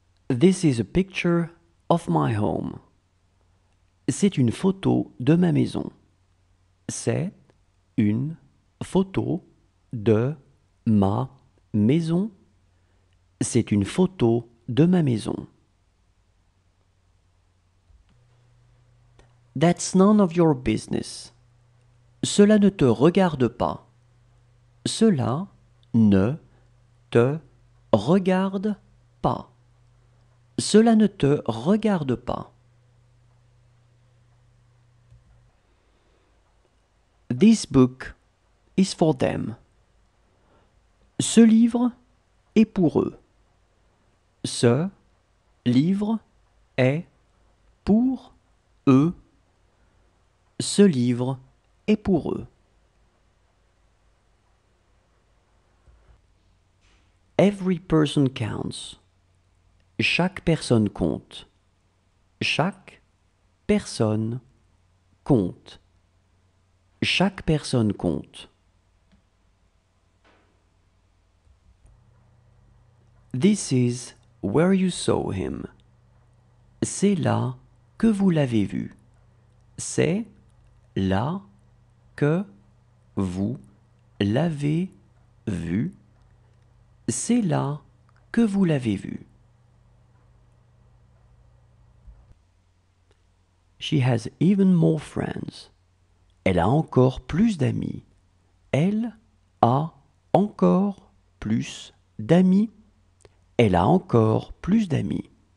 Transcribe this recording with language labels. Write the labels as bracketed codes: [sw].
[en] This is a picture of my home. [fr] C'est une photo de ma maison. C'est une photo de ma maison. C'est une photo de ma maison. [en] That's none of your business. [fr] Cela ne te regarde pas. Cela ne te regarde pas. Cela ne te regarde pas. [en] This book is for them. [fr] Ce livre est pour eux. Ce livre est pour eux. Ce livre est pour eux. [en] Every person counts. [fr] Chaque personne compte. Chaque personne compte. Chaque personne compte. [en] This is where you saw him. [fr] C'est là que vous l'avez vu. C'est là que vous l'avez vu. C'est là que vous l'avez vu. [en] She has even more friends. [fr] Elle a encore plus d'amis. Elle a encore plus d'amis. Elle a encore plus d'amis.